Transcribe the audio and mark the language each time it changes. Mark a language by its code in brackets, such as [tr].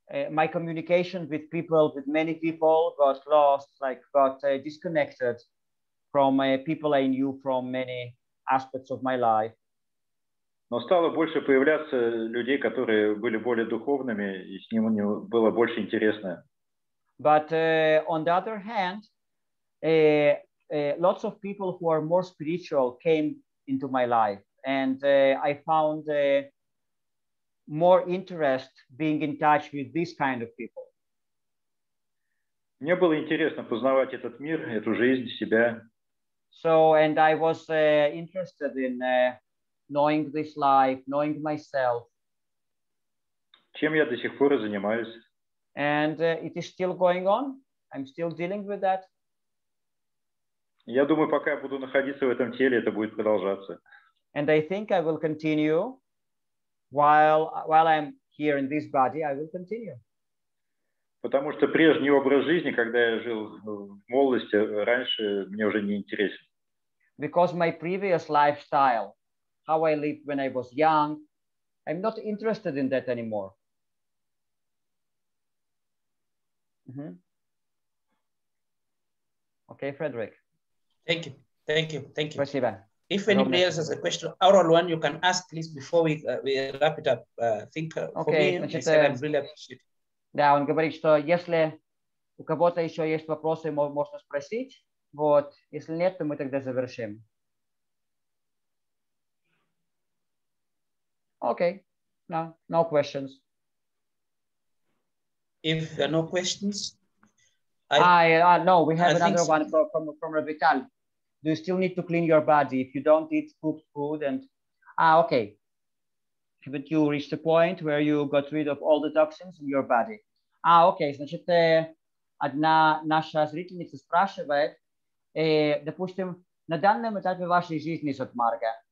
[en] My communication with people, with many people, got lost, like got disconnected from people I knew from many aspects of my life. [ru] Но стало больше появляться людей, которые были более духовными, и с ним было больше интересно. [en] But on the other hand, lots of people who are more spiritual came into my life, and I found more interest being in touch with this kind of people. [ru] Мне было интересно познавать этот мир, эту жизнь, себя. [en] So, and I was interested in knowing this life, knowing myself. [ru] Чем я до сих пор занимаюсь? [en] And it is still going on. I'm still dealing with that. [ru] Я думаю, пока я буду находиться в этом теле, это будет продолжаться. [en] And I think I will continue while I'm here in this body, I will continue. [ru] Потому что прежний образ жизни, когда я жил в молодости, раньше мне уже не интересен. [en] Because my previous lifestyle, how I lived when I was young, I'm not interested in that anymore. Mm-hmm. Okay, Frederick. Thank you. Thank you. Thank you. [ru] Спасибо. [en] If anybody else has a question, oral one, you can ask, please, before we wrap it up. Okay. For me, значит, I said I really appreciate it. [ru] Да, он говорит, что если у кого-то еще есть вопросы, можно спросить. Вот. Если нет, то мы тогда завершим. [en] Okay. No questions. If there are no questions... No, we have another one from Revital. Do you still need to clean your body if you don't eat cooked food? Okay. Haven't you reached a point where you got rid of all the toxins in your body? Okay. [ru] Значит, одна наша зрительница спрашивает, допустим, на данном этапе вашей жизни, Сатмарга,